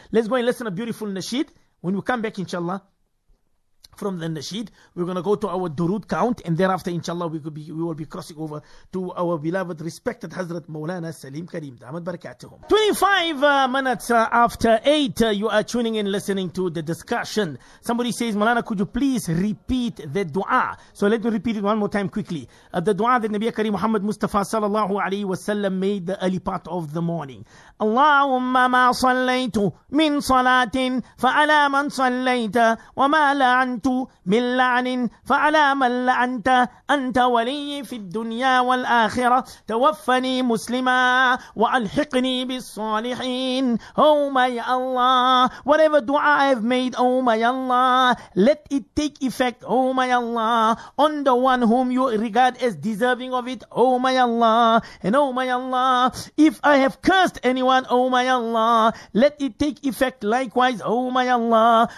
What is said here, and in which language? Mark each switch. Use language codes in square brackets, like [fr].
[en] Let's go and listen to a beautiful nasheed. When we come back, inshallah, from the nasheed, we're going to go to our durood count, and thereafter, inshallah, we will be crossing over to our beloved, respected Hazrat Mawlana Salim Kareem. Damat barakatuhum. 25 minutes after 8, you are tuning in, listening to the discussion. Somebody says, Mawlana, could you please repeat the dua? So let me repeat it one more time quickly. The dua that Nabi Kareem Muhammad Mustafa Sallallahu Alaihi Wasallam made the early part of the morning. [ar] Allahumma ma sallaytu min salatin fa'ala man sallayta wa ma la'an من لعن فعلى من لعنت أنت ولي في الدنيا والآخرة توفني مسلما وألحقني بالصالحين. [en] Oh my Allah, whatever dua I have made, oh my Allah, let it take effect, oh my Allah, on the one whom you regard as deserving of it, oh my Allah. And oh my Allah, if I have cursed anyone, oh my Allah, let it take effect likewise, oh my Allah.